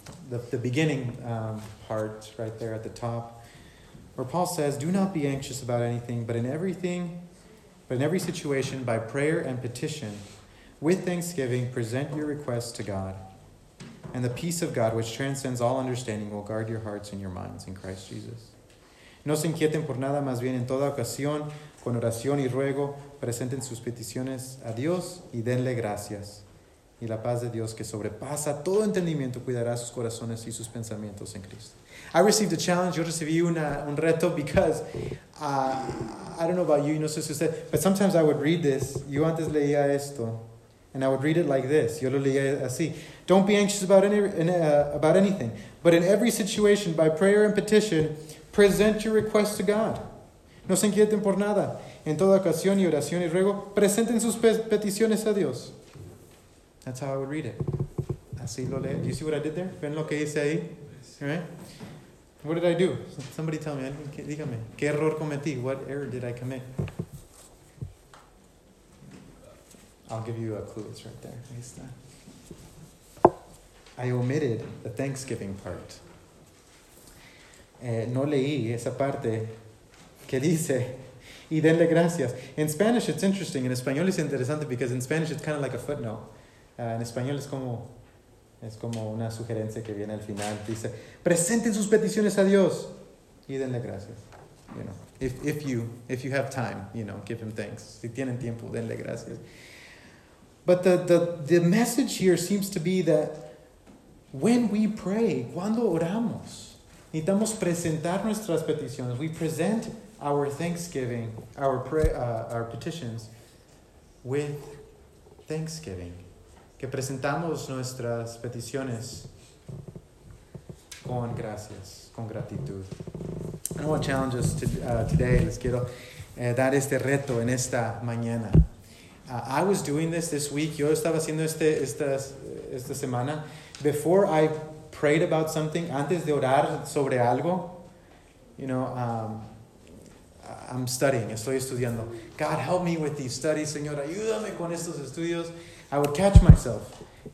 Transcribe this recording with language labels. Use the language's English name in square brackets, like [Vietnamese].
[English] The beginning part right there at the top, where Paul says, do not be anxious about anything, but in every situation, by prayer and petition, with thanksgiving, present your requests to God. And the peace of God, which transcends all understanding, will guard your hearts and your minds in Christ Jesus. [Spanish] No se inquieten por nada, más bien en toda ocasión, con oración y ruego, presenten sus peticiones a Dios y denle gracias. Y la paz de Dios, que sobrepasa todo entendimiento, cuidará sus corazones y sus pensamientos en Cristo. [English] I received a challenge. [Spanish] Yo recibí un reto [English] because I don't know about you. [Spanish] No sé si usted, [English] but sometimes I would read this. [Spanish] Yo antes leía esto, [English] and I would read it like this. [Spanish] Yo lo leía así. [English] Don't be anxious about about anything, but in every situation, by prayer and petition, present your requests to God. [Spanish] No se inquieten por nada. En toda ocasión y oración y ruego, presenten sus peticiones a Dios. [English] That's how I would read it. [Spanish] Así lo leí. [English] Do you see what I did there? [Spanish] ¿Ven lo que hice ahí? [English] Right? What did I do? Somebody tell me. [Spanish] Dígame. ¿Qué error cometí? [English] What error did I commit? I'll give you a clue. It's right there. [Spanish] Ahí está. [English] I omitted the Thanksgiving part. [Spanish] No leí esa parte que dice, y denle gracias. [English] In Spanish, it's interesting. In español, it's interesante because in Spanish, it's kind of like a footnote. [Spanish] En español es como una sugerencia que viene al final. Dice, presenten sus peticiones a Dios y denle gracias. [English] You know, if you have time, you know, give him thanks. [Spanish] Si tienen tiempo, denle gracias. [English] But the message here seems to be that when we pray, [Spanish] cuando oramos, necesitamos presentar nuestras peticiones. [English] We present our thanksgiving, our petitions with thanksgiving. [Spanish] Que presentamos nuestras peticiones con gracias, con gratitud. [English] I want to challenge us today. [Spanish] Les quiero dar este reto en esta mañana. [English] I was doing this week. [Spanish] Yo estaba haciendo esta semana. [English] Before I prayed about something, [Spanish] antes de orar sobre algo, [English] you know, I'm studying. [Spanish] Estoy estudiando. [English] God, help me with these studies. [Spanish] Señor, ayúdame con estos estudios. [English] I would catch myself.